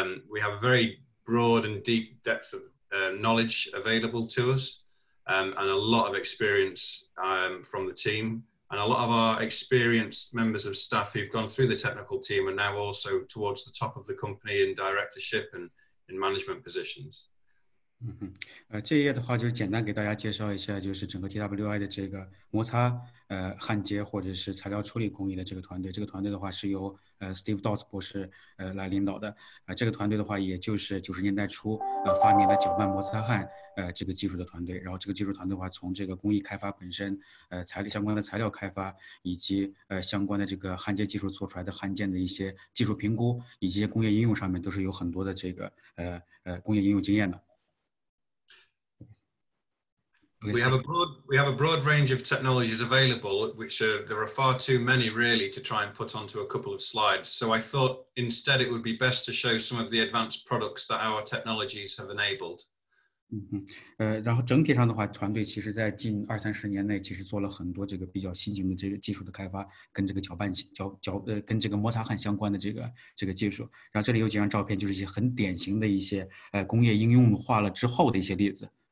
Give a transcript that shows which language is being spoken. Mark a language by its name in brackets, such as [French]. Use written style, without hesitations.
[English] We have a very broad and deep depth of knowledge available to us and a lot of experience from the team. And a lot of our experienced members of staff who've gone through the technical team are now also towards the top of the company in directorship and in management positions. [Chinese] 这一页的话就简单给大家介绍一下，就是整个 TWI 的这个摩擦焊接或者是材料处理工艺的这个团队，这个团队的话是由Steve Dodds 博士来领导的，这个团队的话也就是九十年代初发明了搅拌摩擦焊这个技术的团队，然后这个技术团队的话从这个工艺开发本身材料相关的材料开发以及相关的这个焊接技术做出来的焊件的一些技术评估以及工业应用上面都是有很多的这个工业应用经验的。 [English] We have a broad range of technologies available, which are, there are far too many really to try and put onto a couple of slides. So I thought instead it would be best to show some of the advanced products that our technologies have enabled. [Chinese] 然后整体上的话，团队其实在近二三十年内，其实做了很多这个比较新型的这个技术的开发，跟这个跟这个摩擦焊相关的这个技术。然后这里有几张照片，就是一些很典型的一些工业应用化了之后的一些例子。